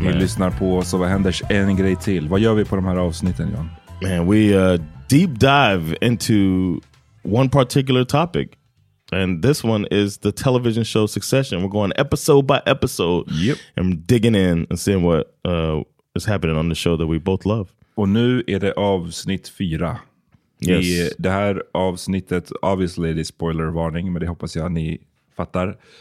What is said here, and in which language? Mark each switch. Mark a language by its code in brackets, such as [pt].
[sv] ni lyssnar på oss och vad händer? En grej till. Vad gör vi på de här avsnitten, John? [en] Man, we deep dive into one particular topic. And this one is the television show Succession. We're going episode by episode. Yep. And digging in and seeing what is happening on the show that we both love. [sv] Och nu är det avsnitt 4. [en] Yes. I [sv] det här avsnittet, obviously det är spoiler warning, men det hoppas jag ni fattar.